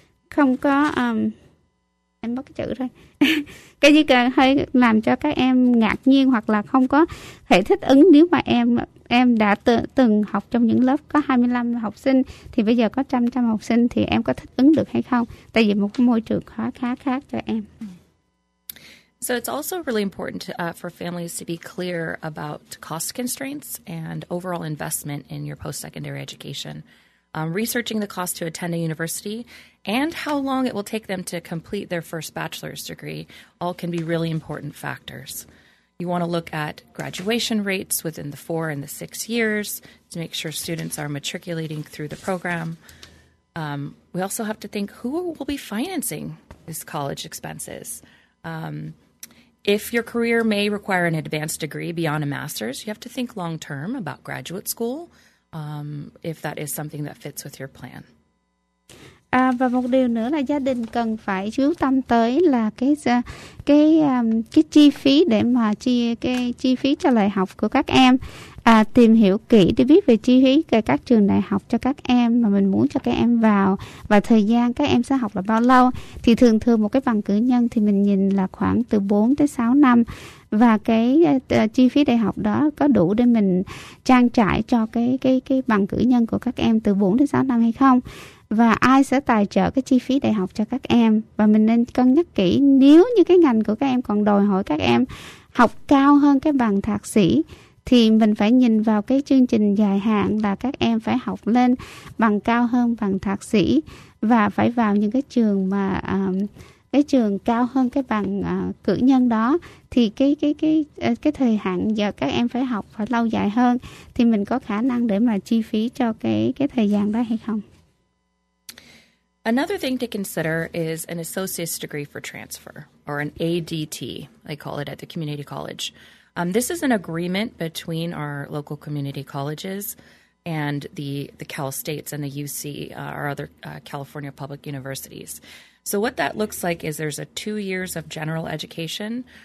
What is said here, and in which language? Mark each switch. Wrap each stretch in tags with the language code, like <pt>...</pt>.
<vi>không có em mất cái chữ thôi cái gì cả, hơi làm cho các em ngạc nhiên hoặc là không có thể thích ứng nếu mà em đã từng học trong những lớp có 25 học sinh thì bây giờ có 100 học sinh thì em có thích ứng được hay không, tại vì một cái môi trường khá khác cho em.</vi> <en>So it's also really important to, for families to be clear about cost constraints and overall investment in your post-secondary education. Researching the cost to attend a university and how long it will take them to complete their first bachelor's degree all can be really important factors. You want to look at graduation rates within the 4 and the 6 years to make sure students are matriculating through the program. We also have to think who will be financing these college expenses. If your career may require an advanced degree beyond a master's, you have to think long term about graduate school, if that is something that fits with your plan.</en> <vi>Và một điều nữa là gia đình cần phải chú tâm tới là cái chi phí để mà chi phí cho đại học của các em. Tìm hiểu kỹ để biết về chi phí về các trường đại học cho các em mà mình muốn cho các em vào và thời gian các em sẽ học là bao lâu. Thì thường thường một cái bằng cử nhân thì mình nhìn là khoảng từ 4 tới 6 năm và cái chi phí đại học đó có đủ để mình trang trải cho cái bằng cử nhân của các em từ 4 tới 6 năm hay không. Và ai sẽ tài trợ cái chi phí đại học cho các em. Và mình nên cân nhắc kỹ nếu như cái ngành của các em còn đòi hỏi các em học cao hơn cái bằng thạc sĩ thì mình phải nhìn vào cái chương trình dài hạn là các em phải học lên bằng cao hơn bằng thạc sĩ và phải vào những cái trường mà cái trường cao hơn cái bằng cử nhân đó thì cái thời hạn giờ các em phải học phải lâu dài hơn thì mình có khả năng để mà chi phí cho cái thời gian đó hay không.</vi> <en>Another thing to consider is an associate's degree for transfer, or an ADT, they call it at the community college. This is an agreement between our local community colleges and the Cal States and the UC, or other California public universities. So what that looks like is there's a 2 years of general education</en>